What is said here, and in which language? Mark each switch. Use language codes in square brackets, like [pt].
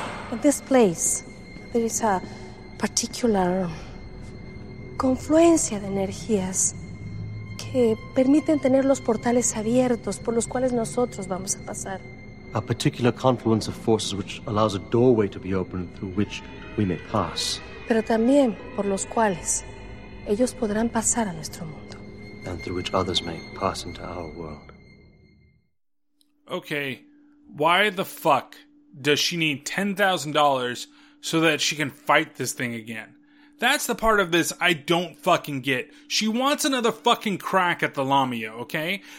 [en] In this place, there is a particular [es] confluencia de energías que permiten tener los portales abiertos por los cuales nosotros vamos a pasar. [en] A particular confluence of forces which allows a doorway to be opened through which we may pass. [es] Pero también por los cuales ellos podrán pasar a nuestro mundo. [en] And through which others may pass into our world. Okay, why the fuck does she need $10,000 so that she can fight this thing again? That's the part of this I don't fucking get. She wants another fucking crack at the Lamia, okay?